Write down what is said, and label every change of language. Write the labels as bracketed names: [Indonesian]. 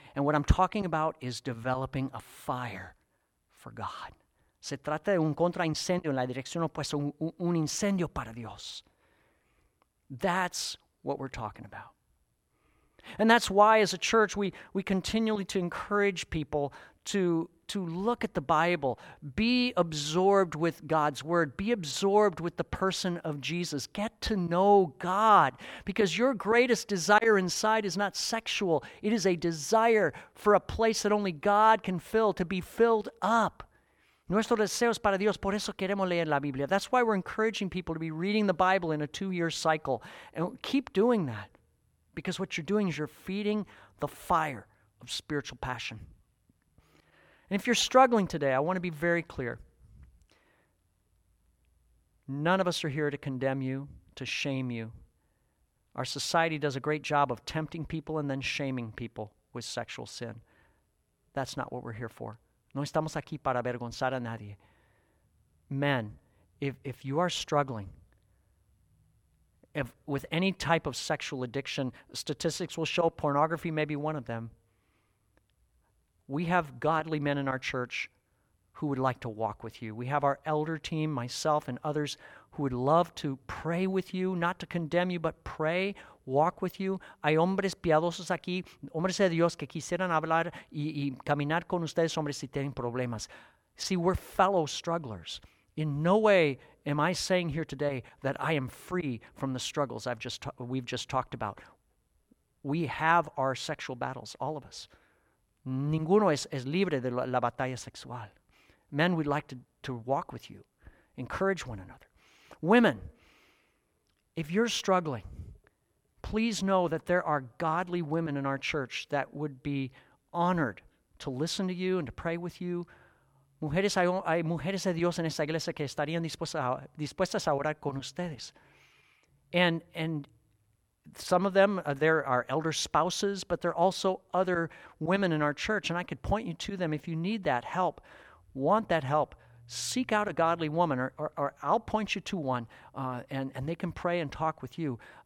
[English] And what I'm talking about is developing a fire for God. [Spanish] Se trata de un contraincendio en la dirección opuesta, un incendio para Dios. [English] That's what we're talking about. And that's why, as a church, we continually to encourage people to look at the Bible, be absorbed with God's Word, be absorbed with the person of Jesus. Get to know God, because your greatest desire inside is not sexual. It is a desire for a place that only God can fill, to be filled up. [Spanish] Nuestro deseo es para Dios, por eso queremos leer la Biblia. [English] That's why we're encouraging people to be reading the Bible in a 2-year cycle. And keep doing that. Because what you're doing is you're feeding the fire of spiritual passion. And if you're struggling today, I want to be very clear. None of us are here to condemn you, to shame you. Our society does a great job of tempting people and then shaming people with sexual sin. That's not what we're here for. [Spanish] No estamos aquí para avergonzar a nadie. [English] Men, if you are struggling with any type of sexual addiction, statistics will show pornography may be one of them. We have godly men in our church who would like to walk with you. We have our elder team, myself and others, who would love to pray with you, not to condemn you, but pray, walk with you. [Spanish] Hay hombres piadosos aquí, hombres de Dios que quisieran hablar y caminar con ustedes, hombres si tienen problemas. [English] See, we're fellow strugglers. In no way am I saying here today that I am free from the struggles we've just talked about. We have our sexual battles, all of us. [Spanish] Ninguno es libre de la batalla sexual. [English] Men, we'd like to walk with you, encourage one another. Women, if you're struggling, please know that there are godly women in our church that would be honored to listen to you and to pray with you. [Spanish] Mujeres, hay mujeres de Dios en esta iglesia que estarían dispuestas a orar con ustedes. [English] And some of them, there are elder spouses, but there are also other women in our church, and I could point you to them if you need that help, want that help. Seek out a godly woman, or I'll point you to one, and they can pray and talk with you.